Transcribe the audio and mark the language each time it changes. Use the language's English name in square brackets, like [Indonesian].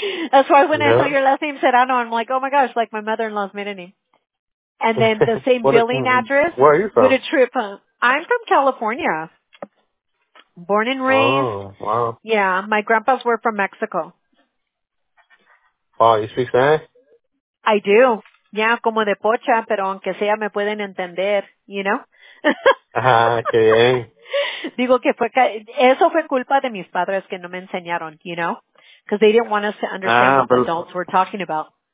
[English] That's why when I saw your last name Serrano, I'm like, oh my gosh, like my mother-in-law's maiden name. And then the same billing address. Where are you from? What a trip, huh? I'm from California. Born and raised. Oh, wow. Yeah, my grandpas were from Mexico. Wow, you speak Spanish? I do. [Spanish] Yeah, como de pocha, pero aunque sea, me pueden entender, you know? qué bien. Digo que fue, eso fue culpa de mis padres que no me enseñaron, you know? [English] Because they didn't want us to understand what the adults were talking about.